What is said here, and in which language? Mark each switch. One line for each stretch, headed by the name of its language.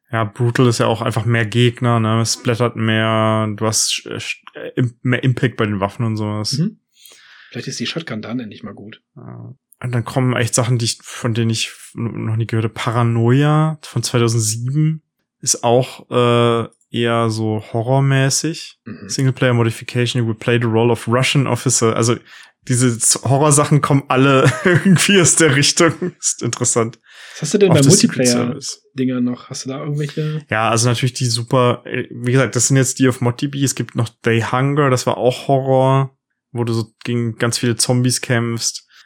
German: Ja, Brutal ist ja auch einfach mehr Gegner, ne? Es splattert mehr, du hast mehr Impact bei den Waffen und sowas. Mhm. Vielleicht ist die Shotgun dann endlich mal gut. Ja. Und dann kommen echt Sachen, von denen ich noch nie gehört habe. Paranoia von 2007 ist auch eher so horrormäßig. Mhm.
English: Singleplayer Modification, you will play the role of Russian Officer.
German: Also diese Horrorsachen kommen alle irgendwie aus der Richtung. Ist interessant. Was hast du denn bei Multiplayer-Dinger noch? Hast du da irgendwelche? Ja, also natürlich die super, wie gesagt, das sind jetzt die auf ModDB. Es gibt noch They Hunger, das war auch Horror, wo du so gegen ganz viele Zombies kämpfst.